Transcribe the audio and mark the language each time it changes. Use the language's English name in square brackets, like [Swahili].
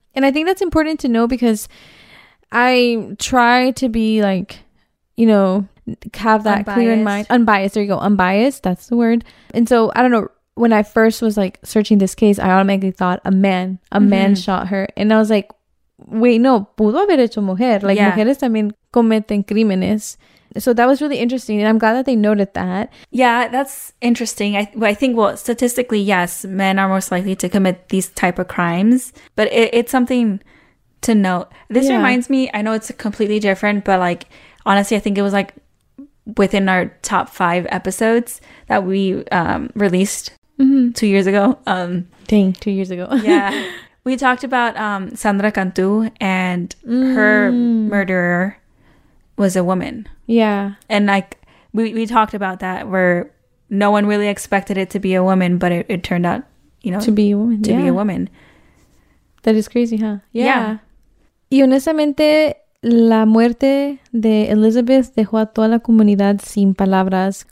[English] And I think that's important to know because I try to be like, you know, have that unbiased. Clear in mind. Unbiased. There you go. Unbiased. That's the word. And so, I don't know. When I first was like searching this case, I automatically thought a man mm-hmm. shot her. And I was like, wait, no. [Spanish] Pudo haber hecho mujer. [English] Like, yeah. [Spanish] Mujeres también cometen crímenes. [English] So that was really interesting. And I'm glad that they noted that. Yeah, that's interesting. I think, statistically, yes, men are most likely to commit these type of crimes. But it's something to note. This reminds me, I know it's completely different, but like, honestly, I think it was like within our top five episodes that we released mm-hmm. 2 years ago. Dang, 2 years ago. Yeah. We talked about Sandra Cantu and her murderer was a woman. Yeah. And like, we talked about that where no one really expected it to be a woman, but it turned out, you know, to be a woman. To be a woman. That is crazy, huh? Yeah. [Spanish] Y honestamente, la muerte de Elizabeth dejó a toda la comunidad sin palabras.